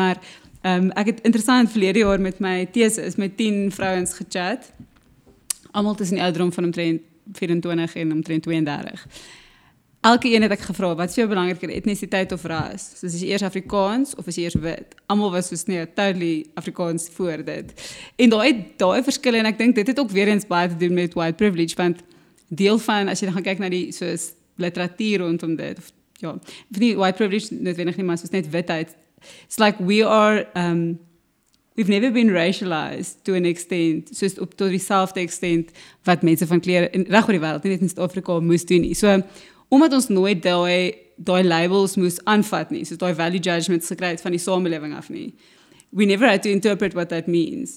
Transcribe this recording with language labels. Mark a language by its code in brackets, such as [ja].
[af] Maar ek het interessant verlede jaar met my thesis, met 10 vrouens gechat, allemaal tussen die ouderdom van omtrent 24 en omtrent 32. Elke een het ek gevra, wat is jou belangriker, etnisiteit of ras? Soos is jy eers Afrikaans of is jy eers wit? Almal was soos nie, totally Afrikaans voor dit. En daai verskille, en ek dink dit het ook weer eens baie te doen met white privilege, want deel van, as jy dan gaan kyk na die soos literatuur rondom dit, of ja, nie white privilege noodwendig nie, maar soos net witheid. [en] It's like we are, we've never been racialized to an extent, [af] soos op tot dieselfde extent, wat mense van kleer, en reg oor die wereld, net in Suid-Afrika moes doen nie. So, omdat ons nooit die labels moes aanvat nie, soos die value judgments gekry het van die samenleving af nie. [en] We never had to interpret what that means.